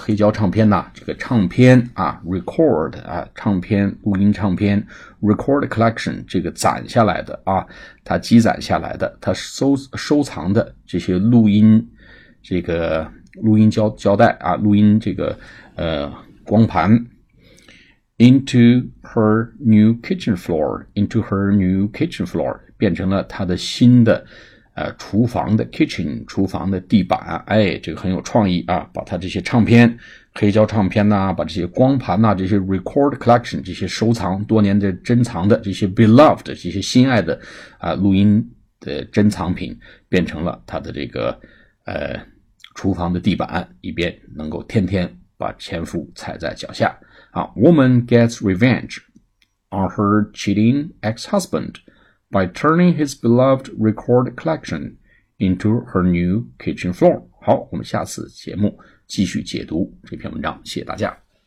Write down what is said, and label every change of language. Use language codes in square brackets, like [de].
[zh] 唱片呐、啊，这个唱片啊 ，record 啊，唱片录音唱片 ，record collection 这个攒下来的啊，它积攒下来的，它收藏的这些录音，这个录音胶带啊，录音这个光盘。 [en] Into her new kitchen floor, into her new kitchen floor, [zh] 变成了她的新的厨房的 [en] kitchen, [zh] 厨房的地板。哎，这个很有创意啊，把她这些唱片黑胶唱片呐、啊、把这些光盘呐、啊、这些 record collection, 这些收藏多年的珍藏的这些 beloved, 这些心爱的录音的珍藏品变成了她的这个厨房的地板，以便能够天天把前夫踩在脚下。 [en] 啊、Woman gets revenge on her cheating ex-husband by turning his beloved record collection into her new kitchen floor. [zh] 好，我们下次节目继续解读这篇文章，谢谢大家。